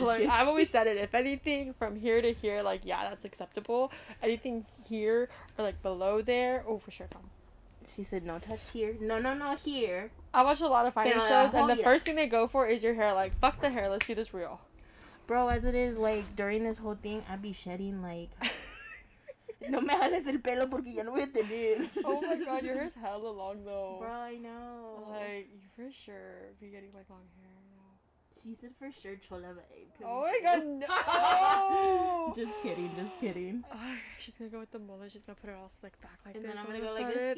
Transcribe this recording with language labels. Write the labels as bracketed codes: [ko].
[en] Like, I've always said it. If anything, from here to here, like, yeah, that's acceptable. Anything here or, like, below there, oh, for sure, come. She said, no touch here. No, no, no, here. I watch a lot of fighting shows. And the first thing they go for is your hair. Like, fuck the hair. Let's do this real. Bro, as it is, like, during this whole thing, I'd be shedding, like... [es] No me jales el pelo porque ya no voy a tener. [en] Oh my god, your hair's hella long, though. Bro, I know. Like, you for sure be getting, like, long hair. She said for sure chola babe. Oh my god, no! Just kidding, just kidding. She's gonna go with the mullet. She's gonna put it all slick back like and this. And then I'm gonna go like this.